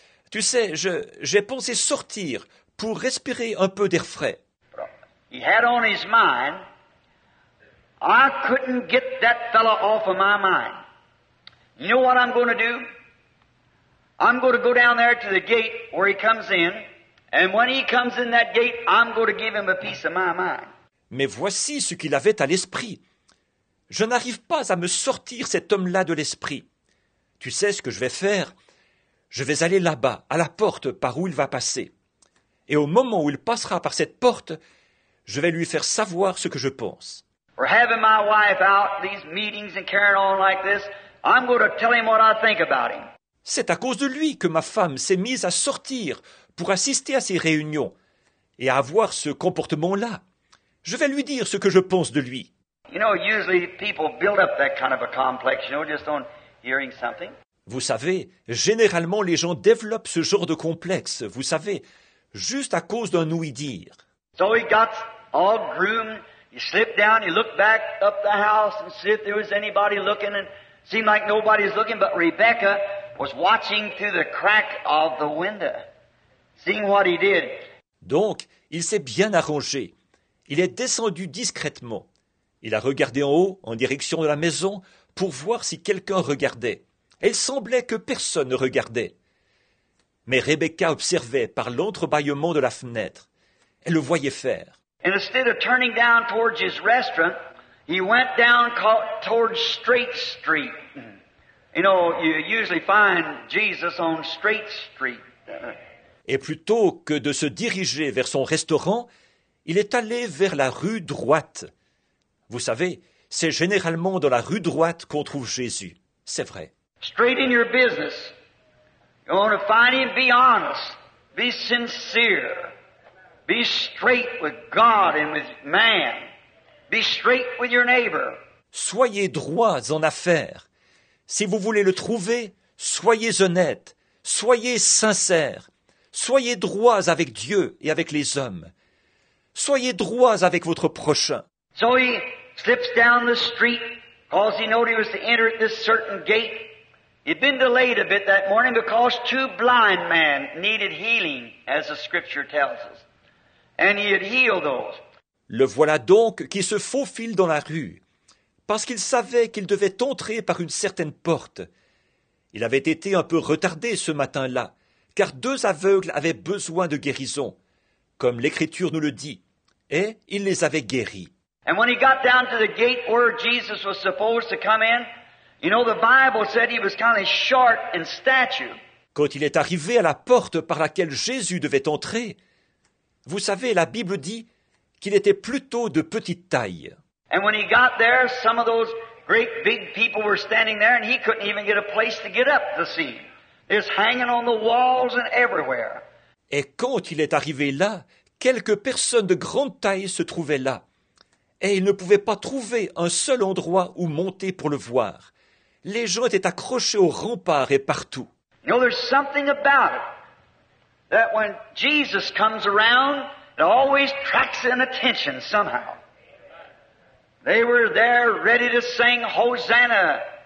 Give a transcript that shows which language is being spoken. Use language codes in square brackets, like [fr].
[fr] Tu sais, j'ai pensé sortir pour respirer un peu d'air frais. [en] He had on his mind, I couldn't get that fellow off of my mind. You know what I'm going to do? I'm going to go down there to the gate where he comes in, and when he comes in that gate, I'm going to give him a piece of my mind. [fr] Mais voici ce qu'il avait à l'esprit. Je n'arrive pas à me sortir cet homme-là de l'esprit. Tu sais ce que je vais faire? Je vais aller là-bas, à la porte par où il va passer. Et au moment où il passera par cette porte, je vais lui faire savoir ce que je pense. [en] Or having my wife out these meetings and carrying on like this, I'm going to tell him what I think about him. [fr] C'est à cause de lui que ma femme s'est mise à sortir pour assister à ces réunions et à avoir ce comportement-là. Je vais lui dire ce que je pense de lui. [en] You know, usually people build up that kind of a complex, you know, just on hearing something. [fr] Vous savez, généralement les gens développent ce genre de complexe, vous savez, juste à cause d'un ouï-dire. [en] So he got all groomed, he slipped down, he looked back up the house and see if there was anybody looking, and seemed like nobody's looking, but Rebecca was watching through the crack of the window, seeing what he did. [fr] Donc, il s'est bien arrangé. Il est descendu discrètement. Il a regardé en haut, en direction de la maison, pour voir si quelqu'un regardait. Et il semblait que personne ne regardait. Mais Rebecca observait par l'entrebâillement de la fenêtre. Elle le voyait faire. [en] And instead of turning down towards his restaurant, he went down towards Straight Street. You know, you usually find Jesus on Straight Street. [fr] Et plutôt que de se diriger vers son restaurant, il est allé vers la rue droite. Vous savez, c'est généralement dans la rue droite qu'on trouve Jésus. C'est vrai. [en] Straight in your business. You want to find him, be honest. Be sincere. Be straight with God and with man. Be straight with your neighbor. [fr] Soyez droits en affaires. Si vous voulez le trouver, soyez honnête, soyez sincère, soyez droits avec Dieu et avec les hommes. Soyez droits avec votre prochain. [en] So he slips down the street because he knew he was to enter at this certain gate. He'd been delayed a bit that morning because two blind men needed healing, as the scripture tells us. And he had healed those. [fr] Le voilà donc qui se faufile dans la rue, parce qu'il savait qu'il devait entrer par une certaine porte. Il avait été un peu retardé ce matin-là, car deux aveugles avaient besoin de guérison, comme l'Écriture nous le dit, et il les avait guéris. [en] And when he got down to the gate where Jesus was supposed to come in, you know, the Bible said he was kind of short in stature. [fr] Quand il est arrivé à la porte par laquelle Jésus devait entrer, vous savez, la Bible dit qu'il était plutôt de petite taille. [en] And when he got there, some of those great big people were standing there, and he couldn't even get a place to get up to see. It's hanging on the walls and everywhere. [fr] Et quand il est arrivé là, quelques personnes de grande taille se trouvaient là. Et il ne pouvait pas trouver un seul endroit où monter pour le voir. Les gens étaient accrochés aux remparts et partout. [en] You know, there's something about it that when Jesus comes around, it always attracts an attention somehow. They were there ready to sing Hosanna.